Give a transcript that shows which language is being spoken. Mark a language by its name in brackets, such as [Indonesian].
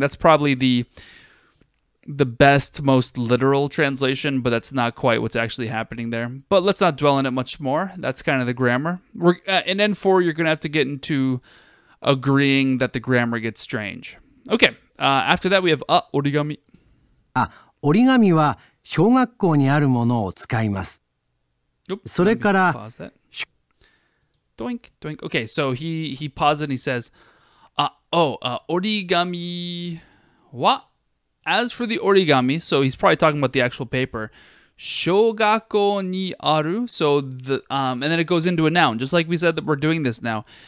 [English] That's probably the best, most literal translation, but that's not quite what's actually happening there. But let's not dwell on it much more. That's kind of the grammar. In N4, you're going to have to get into agreeing that the grammar gets strange. Okay. After that, we have origami. [Japanese] 折り紙は小学校にあるものを使います。それから Doink, doink. [English] Okay, so he paused and he says, [Japanese] origami wa? [English] As for the origami, so he's probably talking about the actual paper. [Japanese] Shogako ni aru. [English] So and then it goes into a noun, just like we said that we're doing this now.